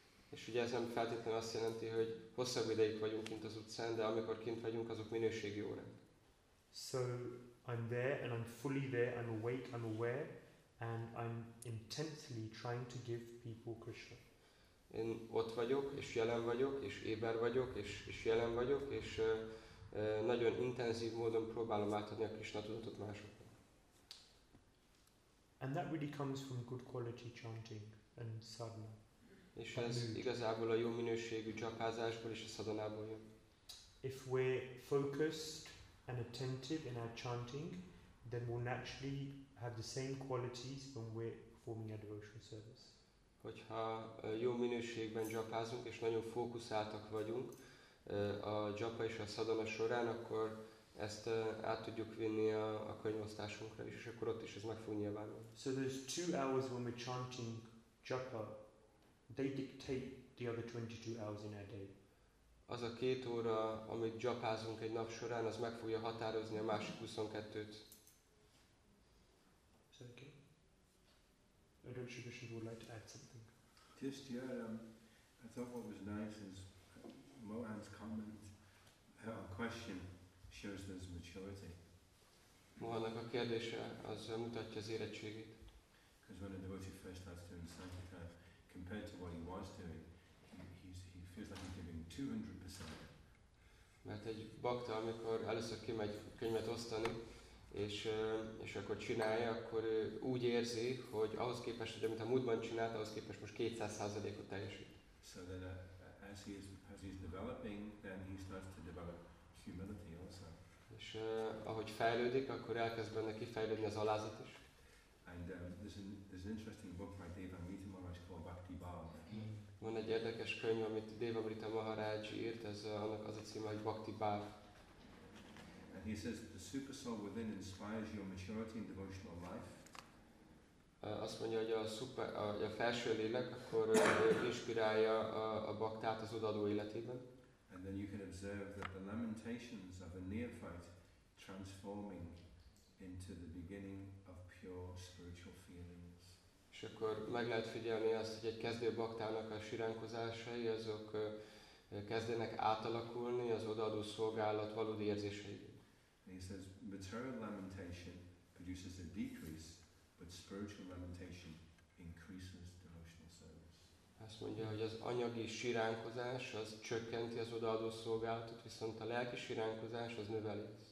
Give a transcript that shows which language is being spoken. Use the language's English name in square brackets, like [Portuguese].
[Hungarian] És ugye ez nem feltétlenül azt jelenti, hogy hosszabb ideig vagyunk kint az utcán, de amikor kint vagyunk, azok minőségi órák. [English] So I'm there and I'm fully there, I'm awake, I'm aware, and I'm intensely trying to give people Krishna. [Hungarian] Én ott vagyok, és jelen vagyok, és éber vagyok, és jelen vagyok, és nagyon intenzív módon próbálom átadni a Krishna tudatot másoknak. [English] And that really comes from good quality chanting and sadhana. [Hungarian] És ez igazából a jó minőségű japázásból és a szadanából jön. [English] If we're focused and attentive in our chanting, then we'll naturally have the same qualities when we're performing our devotional service. [Hungarian] Hogyha jó minőségben japázunk és nagyon fókuszáltak vagyunk a japa és a szadana során, akkor ezt át tudjuk vinni a könyvosztásunkra is, és akkor ott is ez meg fog nyilvánulni. [English] So there's 2 hours when we're chanting japa. They dictate the other 22 hours in our day. [Hungarian] Az a 2 óra, amit japázunk egy nap során, az meg fogja határozni a másik 22-t. [English] Is that okay? I don't know if you would like to add something. Just, yeah, I thought what was nice is Mohan's comment, her question shows there's maturity. [Hungarian] Mohannak a kérdése, az mutatja az érettségét. [English] Because when a devotee first starts doing sankhya, compared to what he was doing, he feels like he's giving 200%. [Hungarian] Mert egy bakta, amikor először kimegy könyvet osztani, és akkor csinálja, akkor úgy érzi, hogy ahhoz képest, hogy amit a múltban csinált, ahhoz képest most 200%-ot teljesít. [English] So that as he's developing, then he starts to develop humility also. [Hungarian] És ahogy fejlődik, akkor elkezd benne kifejlődni az alázat is. [English] And there's an interesting book by Devamrita Maharaj called Bhakti Bhava. [Hungarian] Van egy érdekes könyv, amit Devamrita Maharaj írt, ez annak az a címe, hogy Bhakti Bhava. [English] And he says the super soul within inspires your maturity in devotional life. [Hungarian] Azt mondja, hogy a felső lélek akkor inspirálja a baktát az odaadó életében. [English] And then you can observe that the lamentations of a neophyte transforming into the beginning of pure spiritual feelings. [Hungarian] És akkor meg lehet figyelni azt, hogy egy kezdő baktának a siránkozásai, azok kezdenek átalakulni az odaadó szolgálat valódi érzései. [English] And he says, material lamentation produces a decrease, but spiritual lamentation increases devotional service. [Hungarian] Azt mondja, hogy az anyagi siránkozás az csökkenti az odaadó szolgálatot, viszont a lelki siránkozás az növeli.